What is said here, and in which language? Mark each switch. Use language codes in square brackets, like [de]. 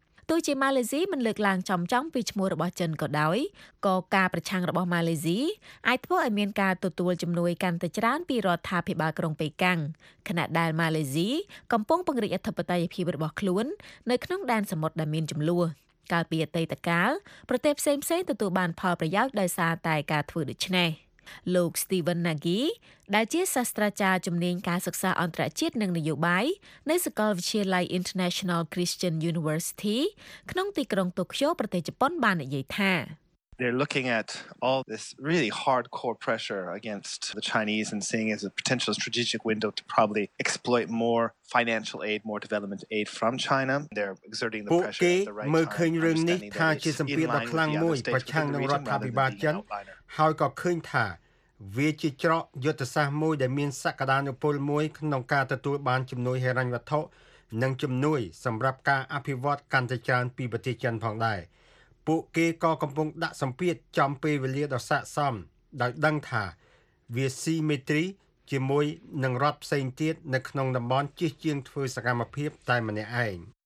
[km] ទោះជាម៉ាឡេស៊ីមិនលើកឡើងចំចង់ពីឈ្មោះរបស់ចិនក៏ដោយក៏ការប្រឆាំងរបស់ម៉ាឡេស៊ីអាចធ្វើឲ្យមានការទទួលជំនួយកាន់តែច្រើនពីរដ្ឋាភិបាលក្រុងប៉េកាំងខណៈដែលម៉ាឡេស៊ីកំពុងពង្រីកអធិបតេយ្យភាពរបស់ខ្លួននៅក្នុងដែនសមុទ្រដែលមានចំនួនកាលពីអតីតកាលប្រទេសផ្សេងៗទទួលបានផលប្រយោជន៍ដោយសារតែការធ្វើដូច្នេះ លោក Steven Nagy ដែលជាសាស្ត្រាចារ្យជំនាញការសិក្សាអន្តរជាតិនិងនយោបាយនៅសាកលវិទ្យាល័យ International Christian University ក្នុងទីក្រុងតូក្យូប្រទេសជប៉ុនបាននិយាយថា [en] They're looking at all this really hardcore pressure against the Chinese and seeing it as a potential strategic window to probably exploit more financial aid, more development aid from China. They're exerting the pressure at the right time. [km] ពួកគេឃើញរឿងនេះថាជាសម្ពាធដ៏ខ្លាំងមួយប្រឆាំងនឹងរដ្ឋាភិបាលចិនហើយក៏ឃើញថាវាជាច្រកយុទ្ធសាស្ត្រមួយដែលមានសក្តានុពលមួយក្នុងការទទួលបានជំនួយហិរញ្ញវត្ថុនិងជំនួយសម្រាប់ការអភិវឌ្ឍកាន់តែច្រើនពីប្រទេសចិនផងដែរពួកគេក៏កំពុងដាក់សម្ពាធចំពេលវេលាដ៏ស័ក្តិសមដោយដឹងថាវាស៊ីមេត្រីជាមួយនឹងរដ្ឋផ្សេងទៀតនៅក្នុងតំបន់ជិះជាងធ្វើសកម្មភាពតែម្នាក់ឯង